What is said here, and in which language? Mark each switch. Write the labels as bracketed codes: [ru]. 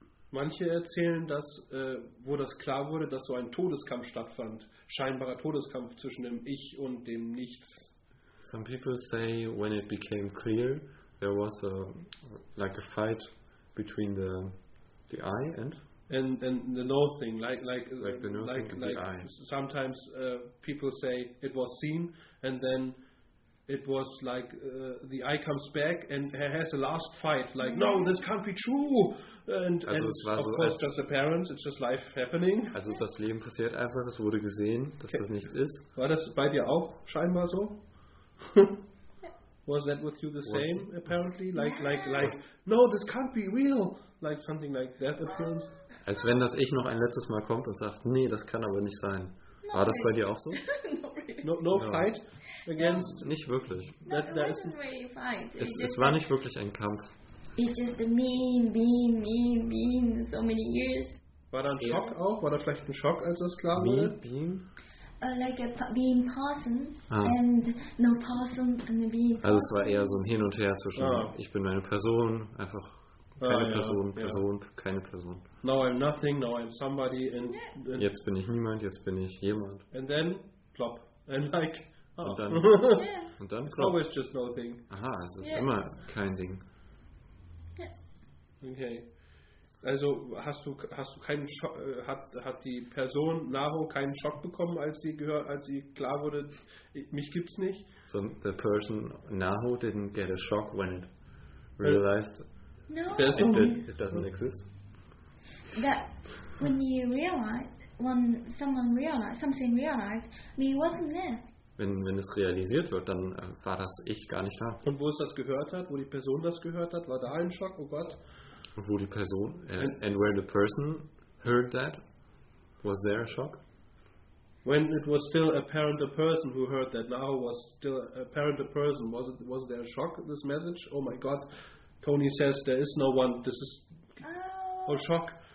[de] Manche erzählen, dass wo das klar wurde, dass so ein Todeskampf stattfand, scheinbarer Todeskampf zwischen dem Ich und dem Nichts. [en] Some people say when it became clear, there was a like a fight between the I and the nothing, like the nothing like, and like the I. Sometimes people say it was seen and then it was like the eye comes back and has a last fight. Like, no, this can't be true. And, of course, just apparent. It's just life happening. [de] Also das Leben passiert einfach. Es wurde gesehen, dass das nichts ist. War das bei dir auch scheinbar so? [en] Was that with you the same? Apparently, like, no, this can't be real. Like something like that appearance. [de] Als wenn das Ich noch ein letztes Mal kommt und sagt, nee, das kann aber nicht sein. War das bei dir auch so? [en] No fight against. [de] Yeah. Nicht wirklich. [en] That wasn't really a fight. [de] Es war nicht wirklich ein Kampf. [en] It's just me, so many years. [de] War da ein Schock auch? War da vielleicht ein Schock, als das klar wurde? [en] Like a being person and no person and being. [de] Also es war eher so ein Hin und Her zwischen. Ich bin eine Person, einfach keine Person, Person, keine Person. [en] Now I'm nothing. Now I'm somebody. And [de] jetzt bin ich niemand. Jetzt bin ich jemand. [en] And then plop. And like, [de] Und dann [en] it's always just no thing. [de] Aha, es ist immer kein Ding. [en] Okay. [de] Also hast du keinen Schock, hat die Person Naho keinen Schock bekommen, als sie klar wurde, mich gibt's nicht? [en] So the person Naho didn't get a shock when it realized it doesn't exist. That when you realize, when someone realized something realized, me wasn't there. [de] Wenn es realisiert wird, dann war das Ich gar nicht da. Und wo es das gehört hat, wo die Person das gehört hat, war da ein Schock, oh Gott. Und wo die Person, [en] and where the person heard that, was there a shock? When it was still apparent the person who heard that, now was still apparent the person, was there a shock, this message? Oh my God, Tony says there is no one, this is a shock.